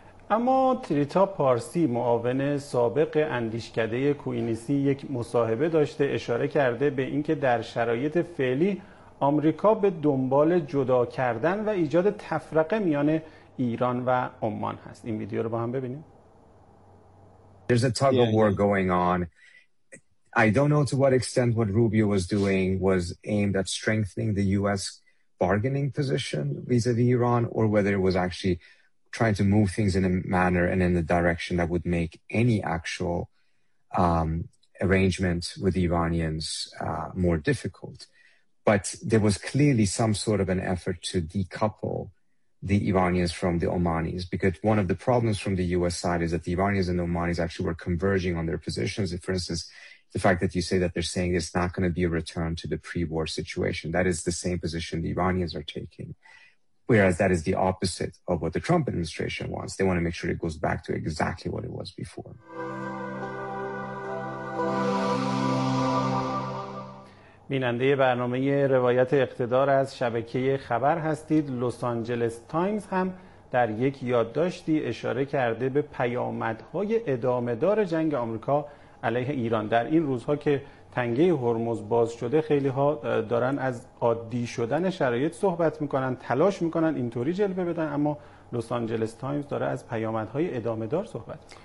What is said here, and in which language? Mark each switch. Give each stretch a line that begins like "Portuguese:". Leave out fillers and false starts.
Persian: اما تریتا پارسی معاون سابق اندیشکده کوینیسی یک مصاحبه داشته، اشاره کرده به اینکه در شرایط فعلی آمریکا به دنبال جدا کردن و ایجاد تفرقه میان ایران و عمان هست. این ویدیو رو با هم ببینیم.
English: There's a tug of war going on. I don't know to what extent what Rubio was doing was aimed at strengthening the US bargaining position vis-a-vis Iran or whether it was actually trying to move things in a manner and in the direction that would make any actual arrangement with the Iranians more difficult. But there was clearly some sort of an effort to decouple the Iranians from the Omanis, because one of the problems from the US side is that the Iranians and the Omanis actually were converging on their positions. For instance, the fact that you say that they're saying it's not going to be a return to the pre-war situation, that is the same position the Iranians are taking. Whereas that is the opposite of what the Trump administration wants. They want to make sure it goes back to exactly what it was before.
Persian: بیننده برنامه روایت اقتدار از شبکه خبر هستید. لس آنجلس تایمز هم در یک یادداشتی اشاره کرده به پیامدهای ادامه دار جنگ آمریکا علیه ایران. در این روزها که تنگه هرمز باز شده، خیلی ها دارن از عادی شدن شرایط صحبت میکنن، تلاش میکنن اینطوری جلوه بدن، اما لس آنجلس تایمز داره از پیامدهای ادامه دار صحبت.